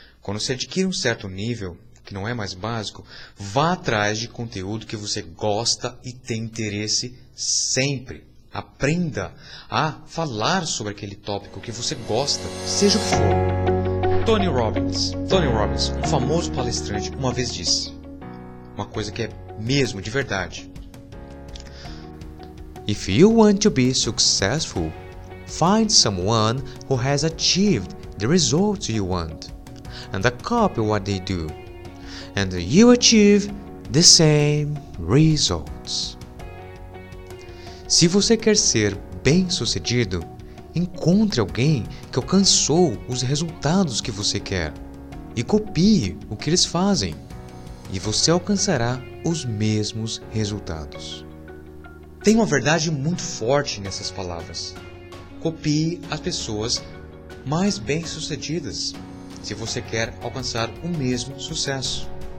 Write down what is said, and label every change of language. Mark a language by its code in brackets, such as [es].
[pt] Quando você adquire um certo nível, que não é mais básico, vá atrás de conteúdo que você gosta e tem interesse sempre. Aprenda a falar sobre aquele tópico que você gosta, seja o que for. Tony Robbins, um famoso palestrante, uma vez disse uma coisa que é mesmo, de verdade. [en] If you want to be successful, find someone who has achieved the results you want and copy what they do, and you achieve the same results. [pt] Se você quer ser bem-sucedido, encontre alguém que alcançou os resultados que você quer e copie o que eles fazem, e você alcançará os mesmos resultados. Tem uma verdade muito forte nessas palavras. Copie as pessoas mais bem-sucedidas se você quer alcançar o mesmo sucesso.